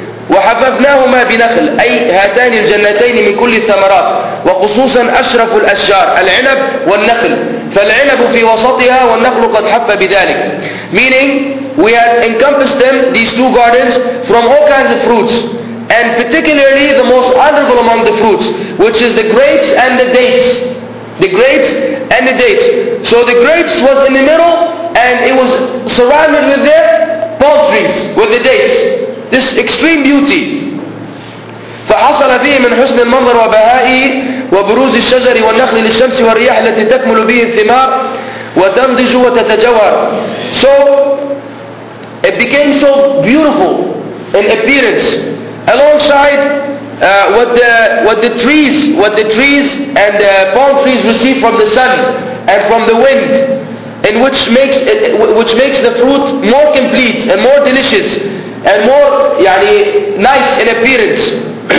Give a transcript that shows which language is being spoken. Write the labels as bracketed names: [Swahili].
[Arabic] وحففناهما بنخل, أي هاتان الجنتين من كل الثمرات, وخصوصا أشرف الأشجار العنب والنخل, فالعنب في وسطها والنخل قد حف بذلك. [English] Meaning, we had encompassed them, these two gardens, from all kinds of fruits, and particularly the most honorable among the fruits, which is the grapes and the dates. The grapes and the dates. So the grapes was in the middle, and it was surrounded with their palm trees with the dates. This extreme beauty. [Arabic] فحصل فيه من حسن المنظر وبهائه وبروز الشجر والنخل للشمس والرياح التي تكمل به الثمار وتنضج وتتجور. [English] So it became so beautiful in appearance alongside what the trees and the palm trees receive from the sun and from the wind, and which makes the fruit more complete and more delicious and more يعني nice in appearance.